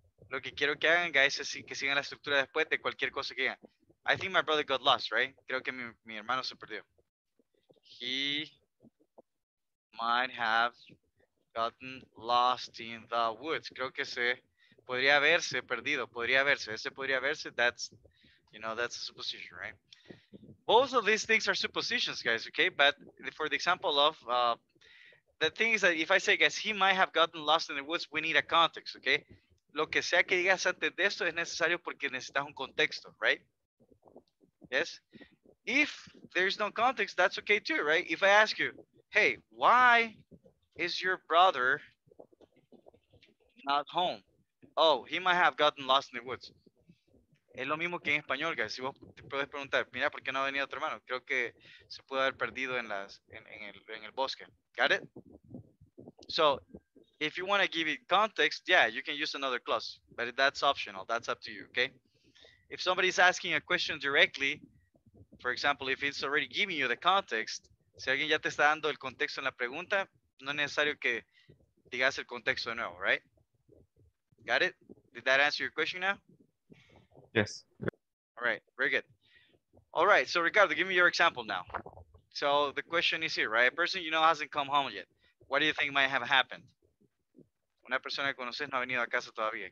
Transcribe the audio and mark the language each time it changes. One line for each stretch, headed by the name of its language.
Spanish: Lo que quiero que hagan, guys, es que sigan la estructura después de cualquier cosa que hagan.
English: I think my brother got lost, right?
Spanish: Creo que mi hermano se perdió.
English: He might have gotten lost in the woods.
Spanish: Creo que se podría haberse perdido. Podría haberse. Ese podría haberse.
English: That's, you know, that's a supposition, right? Both of these things are suppositions, guys, okay? But for the example of... the thing is that if I say, guys, he might have gotten lost in the woods, we need a context, okay?
Spanish: Lo que sea que digas antes de esto es necesario porque necesitas un contexto, right?
English: Yes? If there's no context, that's okay too, right? If I ask you, hey, why is your brother not home? Oh, he might have gotten lost in the woods.
Spanish: Es lo mismo que en español, guys. Si vos te puedes preguntar, mira, ¿por qué no ha venido otro hermano? Creo que se puede haber perdido en el bosque.
English: Got it? So... If you want to give it context, yeah, you can use another clause, but that's optional. That's up to you, okay? If somebody's asking a question directly, for example, if it's already giving you the context,
Spanish: si alguien ya te está dando el contexto en la pregunta, no es necesario que digas el contexto de nuevo,
English: right? Got it? Did that answer your question now? Yes. All right, very good. All right, so Ricardo, give me your example now. So the question is here, right? A person you know hasn't come home yet. What do you think might have happened?
Spanish: Una persona que conoces no ha venido a casa todavía.